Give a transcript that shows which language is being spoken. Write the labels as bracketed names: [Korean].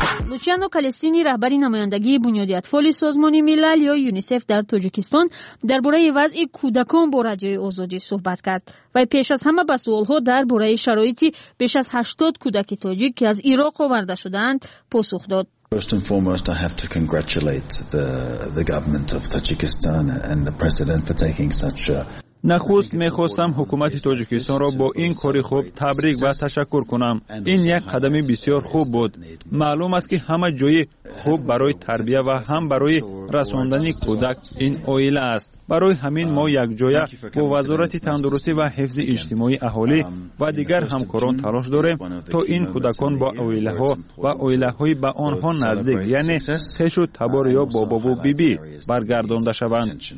[Persian] لوچیانو کالستینی رهبری نمایندگی بنیاد اطفال سازمان ملل یا یونیسف در تاجیکستان درباره وضع کودکان با رادیوی آزادی صحبت کرد و پیش از همه به سوال‌ها درباره شرایط بیش از 80 کودک تاجیک که از عراق آورده شده‌اند پاسخ داد. [English] First and foremost, I have to congratulate the government of Tajikistan and the president for taking such a [Persian] نخست می‌خواستم حکومت تاجیکستان را با این کاری خوب تبریک و تشکر کنم. این یک قدمی بسیار خوب بود. معلوم است که همه جای خوب برای تربیت و هم برای رساندن کودک این اویل است. برای همین ما یک جای با وزارت تندرستی و حفظ اجتماعی اهالی و دیگر همکاران تلاش داریم تا این کودکان با اویله‌ها و اویله‌های به آنها نزدیک، یعنی تشو تبار یا بابا و بیبی برگردانده شوند.